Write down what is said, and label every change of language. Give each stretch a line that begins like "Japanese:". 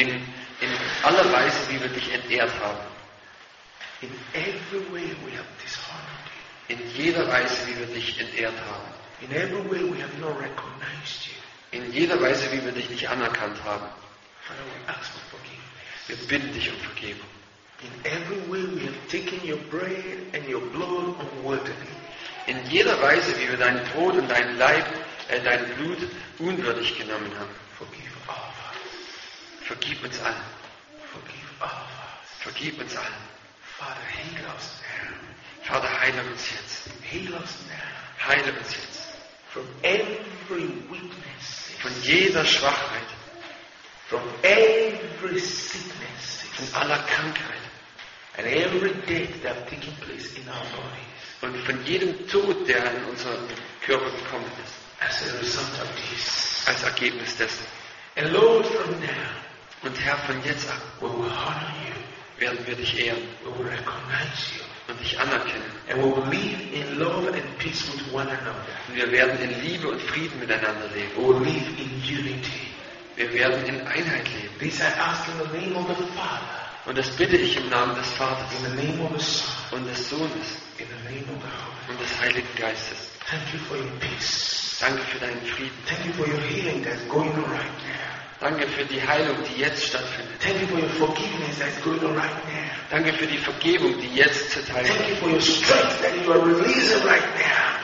German: In aller Weise, wie wir dich entehrt haben.
English: In every way we have dishonored you.
German: In jeder Weise, wie wir dich entehrt haben.
English: In every way we have not recognized you.
German: In jeder Weise, wie wir dich nicht anerkannt haben.
English: Father, we ask for forgiveness.
German: Wir bitten dich um Vergebung.
English: In every way we have taken your bread and your blood unworthily.
German: In jeder Weise, wie wir deinen Tod und deinen Leib dein Blut unwürdig genommen haben.
English: Forgive all of us.
German: Vergib uns allen.
English: Forgive all of us.
German: Vergib uns allen.
English: Father, heal us now.
German: Vater, heile uns jetzt.
English: Heal us now.
German: Heile uns jetzt.
English: From every weakness.
German: Von jeder Schwachheit.
English: From every sickness.
German: Von aller Krankheit.
English: And every death that has taken place in our bodies.
German: Und von jedem Tod, der in unseren Körper gekommen ist.
English: As a result of this.
German: Als Ergebnis dessen.
English: And Lord, from now,
German: Und Herr, von jetzt ab werden wir dich ehren und dich anerkennen. Und wir werden in Liebe und Frieden miteinander leben. Wir werden in Einheit leben. Und das bitte ich im Namen des Vaters und des Sohnes und des Heiligen Geistes. Danke für deinen Frieden.
English: Thank you for your healing that's going on right now.
German: Danke für die Heilung, die jetzt stattfindet.
English: Thank you for your forgiveness that's going on right now.
German: Danke für die Vergebung, die jetzt zuteil wird.
English: Thank you for your strength that you are releasing right now.